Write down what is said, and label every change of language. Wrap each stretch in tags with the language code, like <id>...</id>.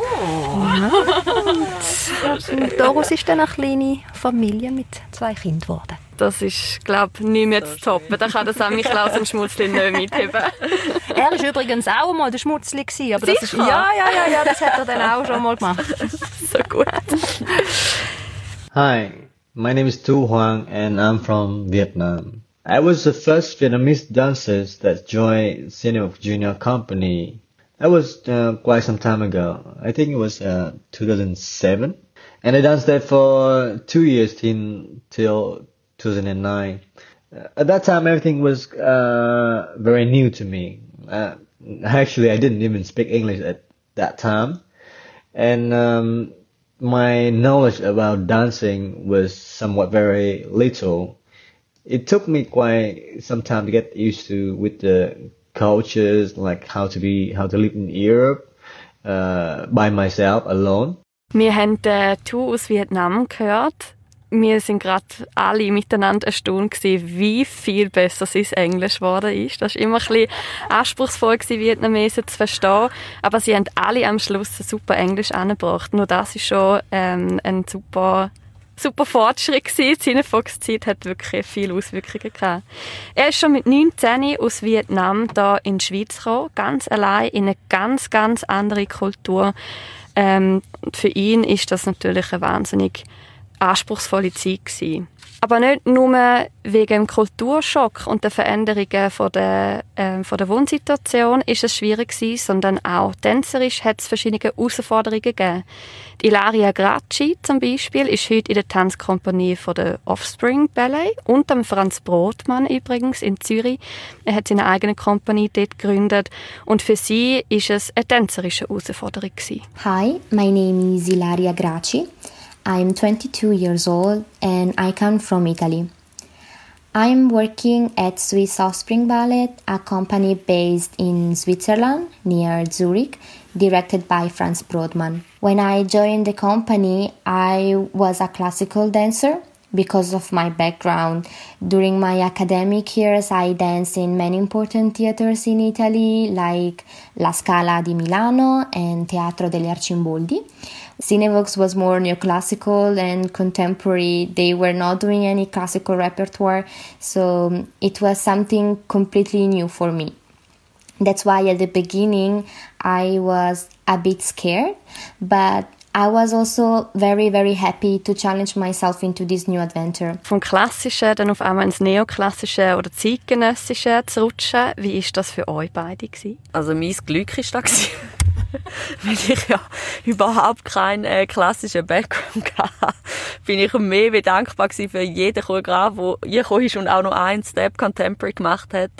<de>Oh. Ja. Und daraus ist dann eine kleine Familie mit zwei Kindern geworden. Das ist, glaube ich, nicht mehr zu toppen. Da kann der Samichlaus und Schmutzli nicht mitheben. Er war übrigens auch mal der Schmutzli. Aber das ist, ja, das hat er dann auch schon mal gemacht. So gut.</de> <en>Hi, my name is Tu Huang and I'm from Vietnam. I was the first Vietnamese dancer that joined Cinefox Junior Company. That was quite some time ago. I think it was 2007. And I danced there for 2 years till 2009. At that time, everything was very new to me. Actually, I didn't even speak English at that time. And my knowledge about dancing was somewhat very little. It took me quite some time to get used to with the cultures, like how to live in Europe by myself alone.</en> <de>Wir haben Tu aus Vietnam gehört. Wir sind gerade alle miteinander erstaunt gewesen, wie viel besser sein Englisch geworden ist. Das war immer ein bisschen anspruchsvoll gewesen, Vietnamesen zu verstehen. Aber sie haben alle am Schluss super Englisch angebracht. Nur das ist schon ein super, super Fortschritt gewesen. Seine Fox-Zeit hat wirklich viele Auswirkungen gehabt. Er ist schon mit 19 aus Vietnam hier in die Schweiz gekommen, ganz allein in eine ganz, ganz andere Kultur. Für ihn ist das natürlich ein wahnsinnig anspruchsvolle Zeit gewesen. Aber nicht nur wegen dem Kulturschock und den Veränderungen von der Wohnsituation ist es schwierig gewesen, sondern auch tänzerisch hat es verschiedene Herausforderungen gegeben. Die Ilaria Gracchi zum Beispiel ist heute in der Tanzkompanie von der Offspring Ballet und dem Franz Brodmann übrigens in Zürich. Er hat seine eigene Kompanie dort gegründet und für sie ist es eine tänzerische Herausforderung gewesen.</de> <en>Hi, my name is Ilaria Gracchi. I'm 22 years old and I come from Italy. I'm working at Swiss Offspring Ballet, a company based in Switzerland near Zurich, directed by Franz Brodmann. When I joined the company, I was a classical dancer because of my background. During my academic years, I danced in many important theaters in Italy, like La Scala di Milano and Teatro degli Arcimboldi. Cinevox was more neoclassical and contemporary. They were not doing any classical repertoire, so it was something completely new for me. That's why at the beginning I was a bit scared, but I was also very, very happy to challenge myself into this new adventure.</en> <de>Vom Klassischen dann auf einmal ins Neoklassische oder Zeitgenössische zu rutschen, wie war das für euch beide gewesen? Also mein Glück war da, weil ich ja überhaupt keinen klassischen Background hatte. Bin ich mehr wie dankbar gewesen für jeden Choreograf, der gekommen ist und auch noch einen Step Contemporary gemacht hat.</de>